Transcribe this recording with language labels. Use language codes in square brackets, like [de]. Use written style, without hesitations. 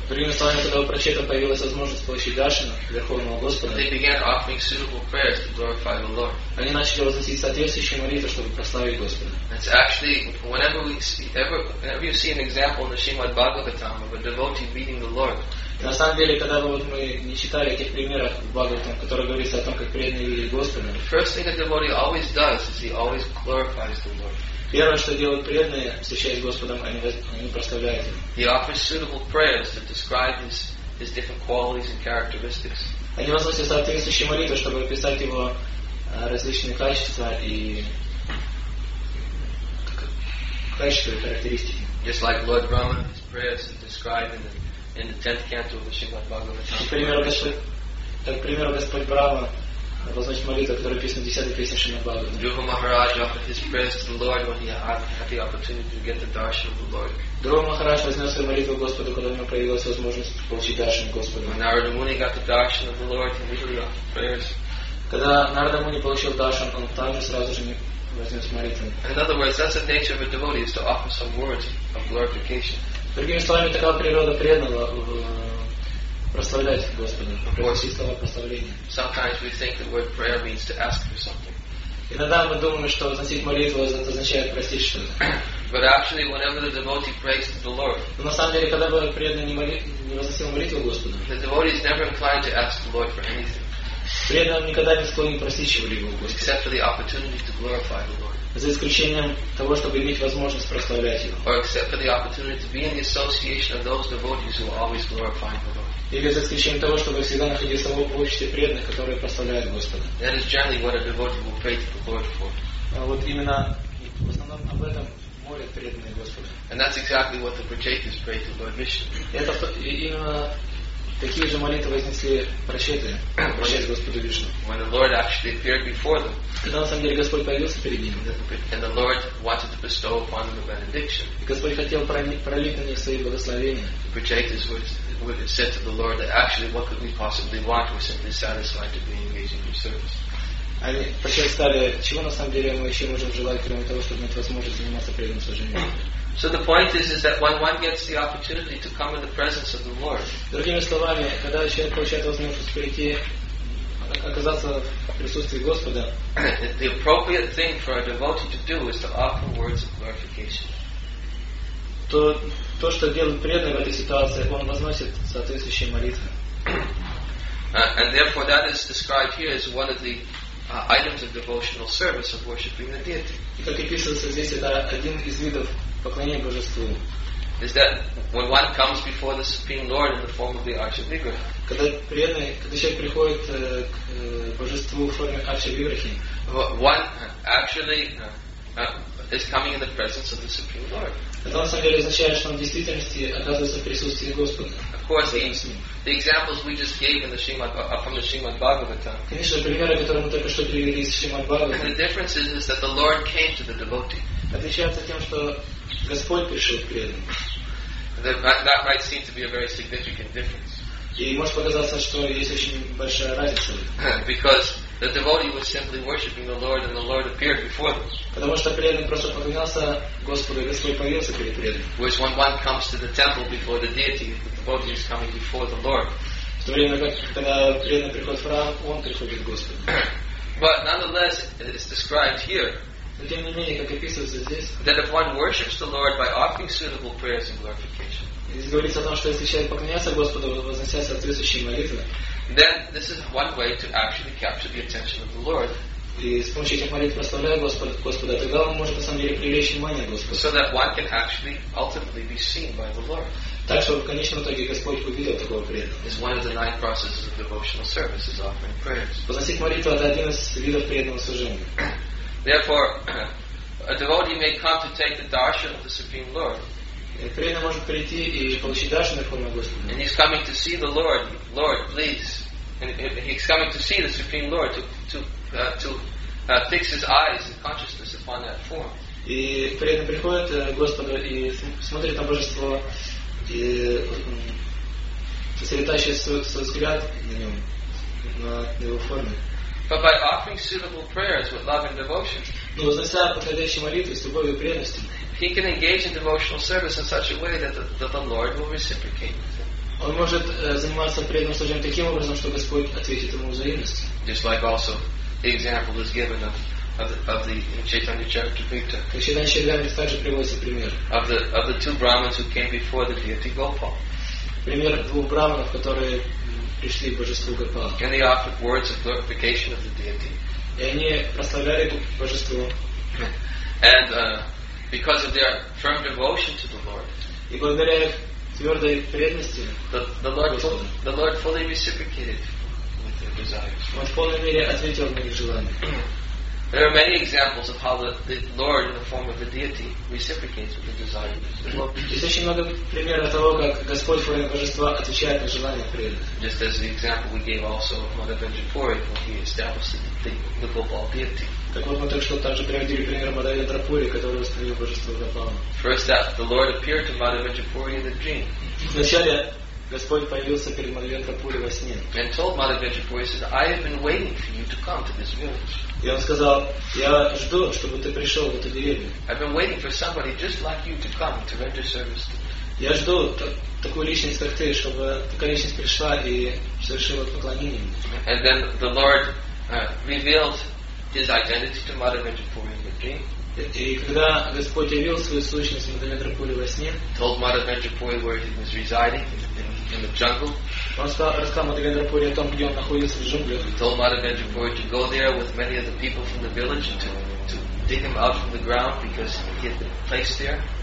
[ru] Другими словами, когда у Прачета появилась возможность получить даршан Верховного Господа, [en] they began offering suitable prayers to glorify the Lord. [ru] Они начали возносить соответствующие молитвы, чтобы прославить Господа. [en] It's actually whenever you see an example in the Srimad Bhagavatam of a devotee meeting the Lord. [ru] На самом деле, когда мы не читали этих примеров в Бхагаватам, которые говорится о том, как преданные видели Господа, [en] the first thing a devotee always does is he always glorifies the Lord. [ru] Первое, что делают преданные, встречаясь с Господом, они прославляют Его. [en] He offers suitable prayers that describe His different qualities and characteristics. [ru] Они возносят соответствующие молитвы, чтобы описать Его различные качества и качества и характеристики. [en] Just like Lord Brahma, His prayers are described in the 10th canto of the Srimad Bhagavatam. [ru] Например, Господь Брахма возносит молитву, которая описана в 10-й песне Шримад Бхагаватам. [en] Dhruva Maharaj offered his prayers to the Lord when he had the opportunity to get the darshan of the Lord. [ru] Dhruva Maharaj вознес свою молитву Господу, когда у него появилась возможность получить даршан Господа. [en] When Narada Muni got the darshan of the Lord, he immediately offered prayers. [ru] Когда Нарада Муни получил даршан, он также сразу же вознес молитву. [en] In other words, that's the nature of a devotee, is to offer some words of glorification. [ru] Другими словами, такая природа преданного прославлять Господа, просить слова прославления. [en] Sometimes we think the word prayer means to ask for something. [ru] Иногда мы думаем, что возносить молитву это означает просить что-то. [en] But actually, whenever the devotee prays to the Lord, [ru] на самом деле, когда бы преданный не возносил молитву Господу, [en] the devotee is never inclined to ask the Lord for anything. [ru] Преданный никогда не склонен просить чего-либо у Господа, [en] except for the opportunity to glorify the Lord. [ru] За исключением того, чтобы иметь возможность прославлять Его. [en] Or except for the opportunity to be in the association of those devotees who are always glorifying the Lord. [ru] Или за исключением того, чтобы всегда находиться в обществе преданных, которые прославляют Господа. [en] That is generally what a devotee will pray to the Lord for. [ru] Вот именно в основном об этом молят преданные Господа. [en] And that's exactly what the Prachetas pray to Lord Vishnu. [ru] Это именно такие же молитвы вознесли Прачеты, обращаясь к Господу Вишну. [en] When the Lord actually appeared before them. [ru] Когда на самом деле Господь появился перед ними. [en] And the Lord wanted to bestow upon them a benediction. [ru] И Господь хотел пролить на них свои благословения. [en] The Prachetas would have said to the Lord that actually what could we possibly want? We're simply satisfied to be engaged in your service. [ru] Они почему сказали, чего на самом деле мы еще можем желать, кроме того, чтобы иметь возможность заниматься преданным служением? [en] So the point is that when one gets the opportunity to come in the presence of the Lord. [ru] Другими словами, когда человек получает возможность прийти, оказаться в присутствии Господа, [en] the appropriate thing for a devotee to do is to offer words of glorification. [ru] То, что делает преданный в этой ситуации, он возносит соответствующие молитвы. [en] And therefore that is described here as one of the items of devotional service of worshiping the deity. [ru] И как описывается здесь, это один из видов поклонения Божеству. [en] is that when one comes before the Supreme Lord in the form of the Archivigraha. [ru] Когда преданный, когда человек приходит к божеству в форме Archivigrahi, [en] one actually is coming in the presence of the Supreme Lord. [ru] Это на самом деле означает, что он в действительности оказывается в присутствии Господа. [en] Of course, the examples we just gave in the Shrimad, from the Shrimad Bhagavatam. [ru] Конечно, примеры, которые мы только что привели из Шримад Бхагаватам. [en] The difference is that the Lord came to the devotee. [ru] Отличается тем, что Господь пришел к преданному. [en] That might seem to be a very significant difference. [ru] И может показаться, что есть очень большая разница. [en] Because the devotee was simply worshipping the Lord, and the Lord appeared before them. [ru] Потому что преданный просто поклонялся Господу, и Господь появился перед преданным. [en] Whereas when one comes to the temple before the deity, the devotee is coming before the Lord. [ru] В то время как когда преданный приходит в храм, он приходит к Господу. [en] But nonetheless, it is described here. [ru] Но тем не менее, как описывается здесь. [en] That if one worships the Lord by offering suitable prayers and glorification. [ru] Здесь говорится о том, что если человек поклоняется Господу, вознося соответствующие молитвы. [en] Then this is one way to actually capture the attention of the Lord. [ru] И с помощью этих молитв прославляя Господа, тогда он может на самом деле привлечь внимание Господа. [en] So that one can actually ultimately be seen by the Lord. [ru] Так что в конечном итоге Господь увидел такого преданного. [en] Is one of the nine processes of devotional service is offering prayers. [ru] Возносить молитву это один из видов преданного служения. [en] Therefore, a devotee may come to take the darshan of the Supreme Lord. [ru] Преданный может прийти и получить даршан Верховного Господа. [en] And he's coming to see the Lord. Lord, please. And he's coming to see the Supreme Lord to fix his eyes and consciousness upon that form. [ru] И преданный приходит к Господу и смотрит на Божество и сосредотачивает свой взгляд на нем, на его форме. [en] But by offering suitable prayers with love and devotion, [ru] но вознося подходящие молитвы с любовью и преданностью, [en] he can engage in devotional service in such a way that the Lord will reciprocate. [ru] Он может заниматься преданным служением таким образом, что Господь ответит ему взаимностью. [en] Just like also the example is given of the Chaitanya Charitamrita. [ru] Чайтанья Чаритамрита также приводится пример. [en] Of the two Brahmins who came before the deity Gopal. [ru] Пример двух Брахманов, которые пришли к божеству Гопал. [en] And they offered words of glorification of the deity. [ru] И они прославляли божество. [en] And because of their firm devotion to the Lord. [ru] И благодаря их твердой преданности, [en] the Lord fully reciprocated with their desires. [ru] Он в полной мере ответил на их желания. [en] There are many examples of how the Lord, in the form of the deity, reciprocates with the desire. [ru] Есть очень много примеров того, как Господь в форме божества отвечает на желания преданных. [en] Just as the example we gave also of Madhavendrapuri when he established the Gopal deity. [ru] Так вот мы только что также приводили пример Мадхавендрапури, который установил божество Гопала. [en] First that the Lord appeared to Madhavendrapuri in a dream. [ru] Вначале Господь появился перед Мадхавендрапури во сне. [en] And told Madhavendrapuri, said, "I have been waiting for you to come to this village." [ru] И он сказал, я жду, чтобы ты пришел в эту деревню. [en] I've been waiting for somebody just like you to come to render service to. [ru] Я жду такую личность, как ты, чтобы такая личность пришла и совершила поклонение. [en] And then the Lord revealed his identity to Madhavendrapuri in the dream. [ru] И когда Господь явил свою сущность Мадхавендрапури во сне, [en] told Madhavendrapuri where he was residing in the jungle. [ru] Он рассказал Мадхавендрапури о том, где он находится в джунглях. [en] Told Madhavendrapuri to go there with many of the people from the village and to dig him out from the ground because he had been placed there.